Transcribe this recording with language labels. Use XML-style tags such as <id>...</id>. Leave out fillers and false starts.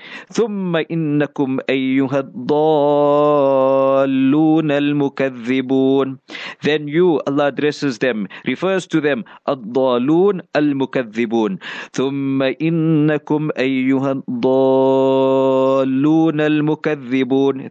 <ar>ثم إنكم أيها الضالون المكذبون.</ar> <en>Then you, Allah addresses them, refers to them,</en> <ar>الضالون المكذبون. ثم إنكم أيها الضالون المكذبون.</ar>